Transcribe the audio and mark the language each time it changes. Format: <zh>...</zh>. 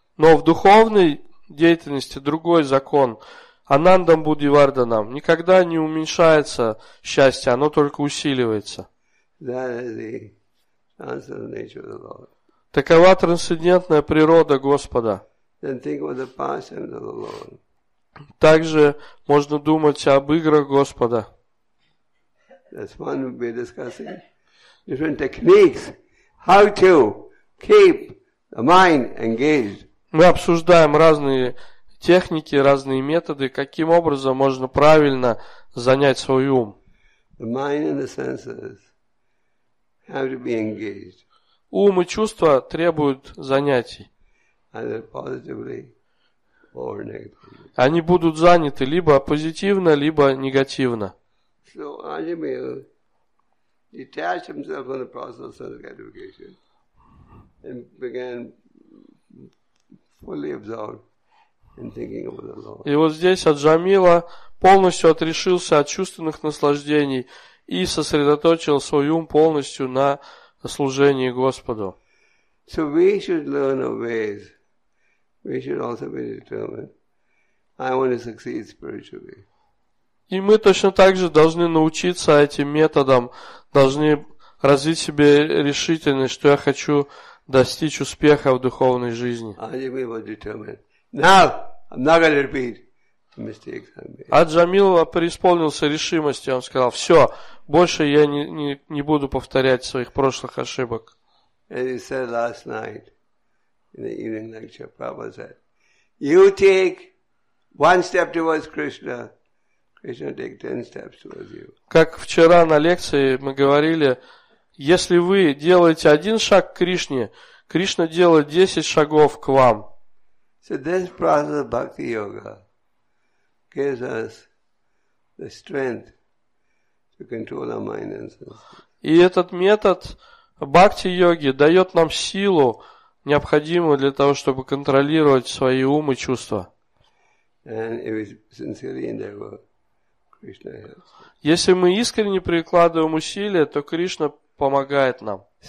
<ru>Но в духовной деятельности другой закон. Ананда Буддхи Варданам. Никогда не уменьшается счастье, оно только усиливается.</ru> <en>That is the transcendental nature of the Lord.</en> <ru>Такова трансцендентная природа Господа.</ru> <en>Then think of the pastimes of the Lord.</en> <ru>Также можно думать об играх Господа.</ru> <en>That's one we'll be discussing. Different techniques. How to keep the mind engaged.</en> <ru>Мы обсуждаем разные техники, разные методы, каким образом можно правильно занять свой ум.</ru> <en>The mind and the senses have to be engaged.</en> <ru>Ум и чувства требуют занятий.</ru> <en>Either positively.</en> <ru>Они будут заняты либо позитивно, либо негативно.</ru> <en>So, Ajimil detached himself from the process of self-gratification and began fully absorbed in thinking about the Lord.</en> <ru>И вот здесь Аджамила полностью отрешился от чувственных наслаждений и сосредоточил свой ум полностью на служении Господу.</ru> <en>So we should learn our ways. We should also be determined. I want to succeed spiritually.</en> <ru>И мы точно так же должны научиться этим методам, должны развить в себе решительность, что я хочу достичь успеха в духовной жизни.</ru> <en>Ajimil was determined. Now, I'm not going to repeat the mistakes I made.</en> <ru>Аджамил преисполнился решимости. Он сказал, все, больше я не буду повторять своих прошлых ошибок.</ru> <en>As he said last night, in the evening lecture, Prabhupada said, you take one step towards Krishna, Krishna take 10 steps towards you.</en> <ru>Как вчера на лекции мы говорили, Если вы делаете один шаг к Кришне, Кришна делает 10 шагов к вам.</ru> <en>So this process of bhakti yoga gives us the strength to control our mind and senses.</en> <ru>И этот метод бхакти-йоги дает нам силу, необходимую для того, чтобы контролировать свои ум и чувства. Если мы искренне прикладываем усилия, то Кришна помогает нам.</ru>